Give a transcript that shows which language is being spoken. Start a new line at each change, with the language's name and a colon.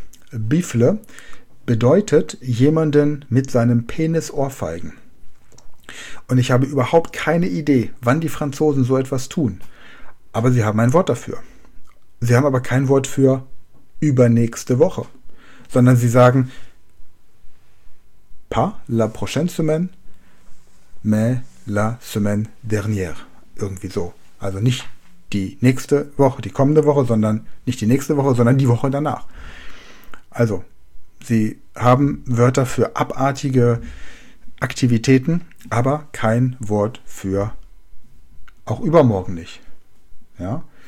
German: Bifle bedeutet jemanden mit seinem Penis ohrfeigen. Und ich habe überhaupt keine Idee, wann die Franzosen so etwas tun. Aber sie haben ein Wort dafür. Sie haben aber kein Wort für übernächste Woche. Sondern sie sagen
French: pas la prochaine semaine, mais la semaine dernière.
German: Irgendwie so. Also nicht die nächste Woche, die kommende Woche, sondern nicht die nächste Woche, sondern die Woche danach. Also, sie haben Wörter für abartige Aktivitäten, aber kein Wort für auch übermorgen nicht. Ja?